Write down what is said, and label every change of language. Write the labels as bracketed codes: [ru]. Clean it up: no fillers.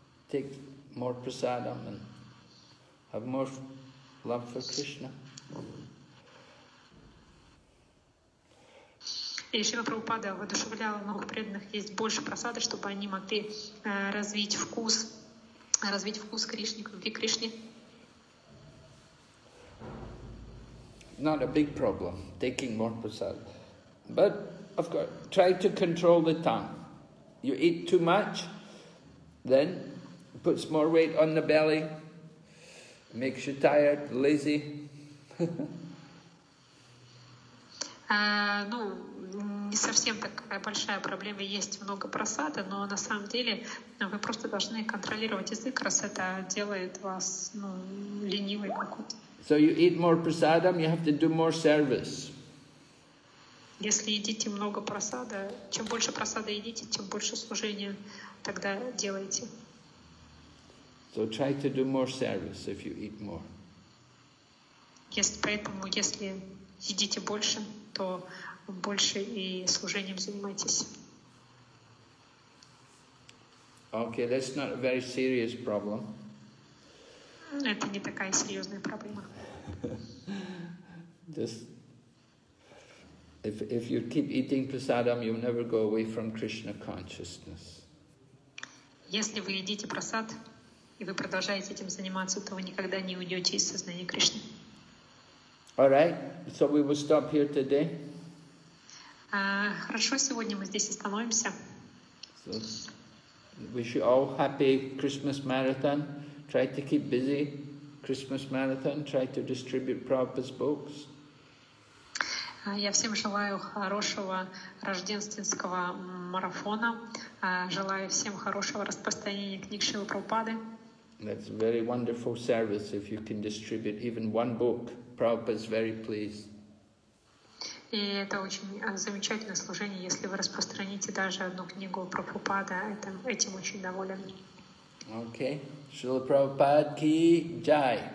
[en] Take more prasada and have more love for Krishna. [ru] И Шрила Прабхупада воодушевлял новых преданных есть больше прасады, чтобы они могли развить вкус Кришны, любви к Кришне. [en] Not a big problem, taking more prasad. But, of course, try to control the tongue. You eat too much, then it puts more weight on the belly, makes you tired, lazy. [ru] Ну, не совсем такая большая проблема, есть много просада, но на самом деле вы просто должны контролировать язык, раз это делает вас ну, ленивой какой-то. [en] So you eat more prasadam, you have to do more service. [ru] Если едите много просада, чем больше просада едите, тем больше служения тогда делаете. [en] So try to do more service if you eat more. [ru] Если, поэтому, если едите больше, то больше и служением занимайтесь. [en] Okay, that's not a very serious problem. [ru] Это не такая серьезная проблема. [en] Just if you keep eating prasadam, you'll never go away from Krishna consciousness. [ru] Если вы едите прасад и вы продолжаете этим заниматься, то вы никогда не уйдете из сознания Кришны. [en] All right, so we will stop here today. [ru] Хорошо, сегодня мы здесь остановимся. [en] So, wish you all happy Christmas marathon. Try to keep busy. Christmas marathon. Try to distribute Prabhupada's books. [ru] Я всем желаю хорошего рождественского марафона. Желаю всем хорошего распространения книг Шрилы Прабхупады. [en] That's a very wonderful service if you can distribute even one book. Prabhupada is very pleased. [ru] И это очень замечательное служение, если вы распространите даже одну книгу Прабхупада, этим очень доволен. [en] Okay. [ru] Шрила Прабхупада ки джай.